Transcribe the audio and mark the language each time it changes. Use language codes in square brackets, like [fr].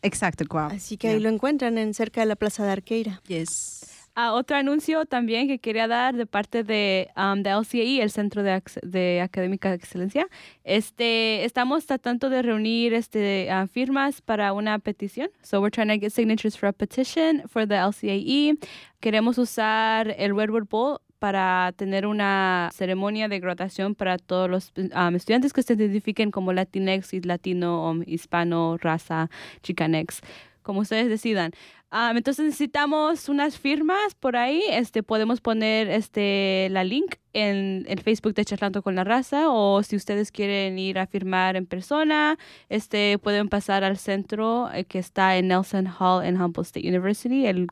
[es] Exacto, Co-op. Así que ahí lo encuentran, en cerca de la Plaza de Arqueira. [en] Yes. [es] Otro anuncio también que quería dar de parte de LCAE, el Centro de Académica de Excelencia. Estamos tratando de reunir firmas para una petición. [en] So we're trying to get signatures for a petition for the LCAE. [es] Queremos usar el Redwood Bowl para tener una ceremonia de graduación para todos los estudiantes que se identifiquen como Latinx, Latino, Hispano, Raza, Chicanx, como ustedes decidan. Entonces necesitamos unas firmas por ahí. Podemos poner la link en el Facebook de Charlando con la Raza, o si ustedes quieren ir a firmar en persona, pueden pasar al centro que está en Nelson Hall en Humboldt State University.